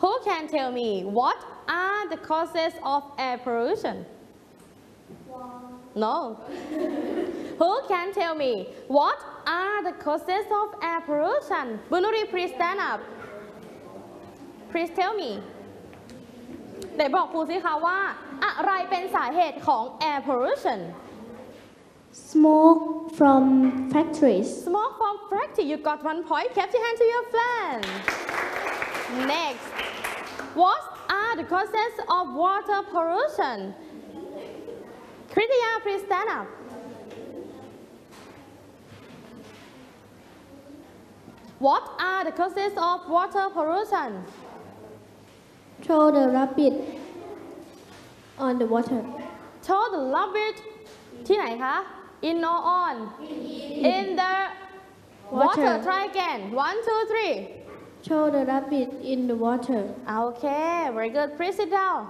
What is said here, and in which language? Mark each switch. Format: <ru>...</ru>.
<en>Who can tell me what are the causes of air pollution? No. Who can tell me what are the causes of air pollution? Bunuri, please stand up. Please tell me.</en> <th>ไหนบอกครูสิคะว่า อะไรเป็นสาเหตุของ air pollution</th> <en>smoke from factories smoke from factory you got one point clap your hand to your friend next what are the causes of water pollution Kritia please stand upWhat are the causes of water pollution? Throw the rabbit on the water. Throw the rabbit</en> <th>ที่ไหนคะ</th> <en>In or on? In the water. Try again. 1, 2, 3. Throw the rabbit in the water. Okay, very good. Please sit down.</en>